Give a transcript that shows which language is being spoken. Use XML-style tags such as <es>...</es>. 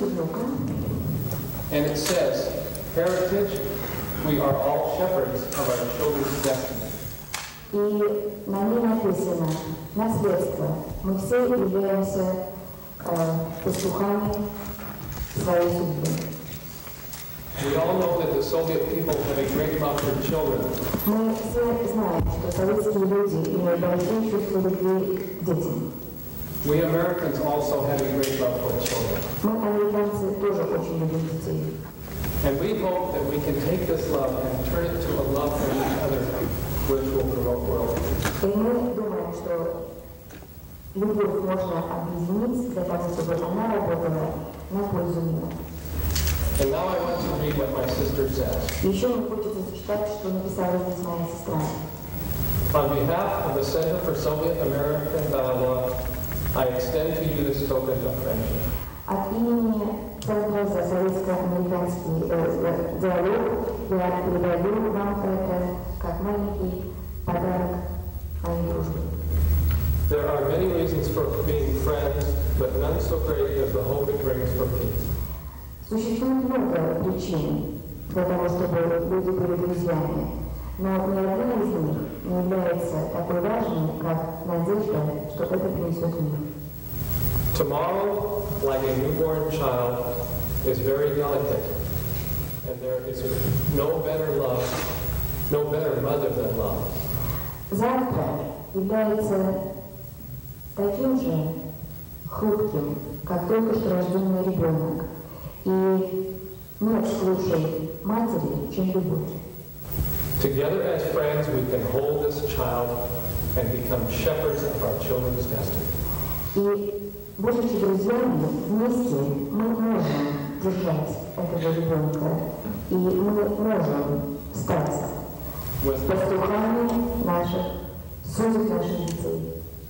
<en>And it says, heritage, we are all shepherds of our children's destiny.</en> <ru>И на ней написано, наследство, мы все являемся пастухами своей судьбы.</ru> <en>We all know that the Soviet people have a great love for children.</en> <ru>Мы все знаем, что советские люди имеют большое чувство любви к детям.</ru> <en>We Americans also have a great love for children.</en> <ru>Мы американцы тоже очень любим детей.</ru> <en>And we hope that we can take this love and turn it to a love for each other, which will promote world peace.</en> <ru>И мы думаем, что любовь можно объединить для того, чтобы она работала на пользу мира.</ru> <en>And now I want to read what my sister says.</en> <ru>Еще мне хочется зачитать, что написала здесь моя сестра.</ru> <en>On behalf of the Center for Soviet American Dialogue, I extend to you this token of friendship.</en> <ru>От имени Центра за советско-американский диалог я передаю вам это как маленький подарок моей дружбе.</ru> <en>There are many reasons for being friends, but none so great as the hope it brings for peace.</en> <ru>Существует много причин для того, чтобы люди были друзьями, но ни один из них не является такой важным, как надежда, что это принесет мир.</ru> <en>Tomorrow, like a newborn child, is very delicate, and there is no better love, no better mother than love.</en> <ru>Завтра является таким же хрупким, как только что рожденный ребенок, и нет лучшей матери, чем любовь.</ru> <en>Together as friends, we can hold this child and become shepherds of our children's destiny.</en> <ru>Будучи друзьями, вместе мы можем держать этого ребенка, и мы можем стать пастухами наших, судьбами наших детей.</ru>